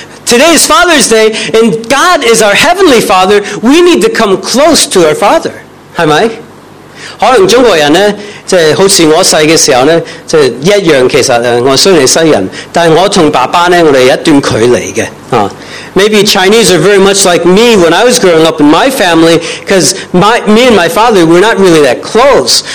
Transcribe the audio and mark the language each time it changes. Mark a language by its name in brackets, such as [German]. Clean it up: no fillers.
[English] Today is Father's Day, and God is our Heavenly Father. We need to come close to our Father. [Chinese] 是不是？可能中国人呢，就是好像我小的时候呢，就是一样，其实我虽然是西人，但是我和爸爸呢，我们有一段距离的。 [English] Maybe Chinese are very much like me when I was growing up in my family, because me and my father, we're not really that close.